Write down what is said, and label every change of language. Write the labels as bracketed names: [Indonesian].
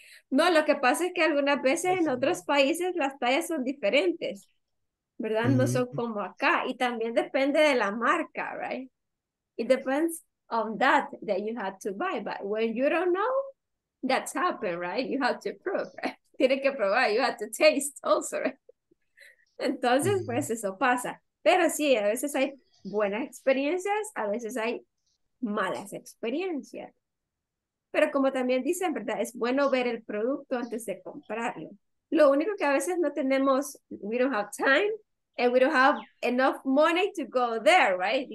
[Spanish] No, lo que pasa es que algunas veces en otros países las tallas son diferentes. ¿Verdad? Mm-hmm. No son como acá. Y también depende de la marca, [English] right? It depends on that you have to buy. But when you don't know, that's happened, right? You have to prove, right? [Spanish] Tiene que probar, [English] you have to taste also, right? [Spanish] Entonces, mm-hmm. pues eso pasa. Pero sí, a veces hay buenas experiencias, a veces hay malas experiencias. Pero como también dicen, ¿verdad? Es bueno ver el producto antes de comprarlo. Lo único que a veces no tenemos, [English] we don't have time, and we don't have enough money to go there, right?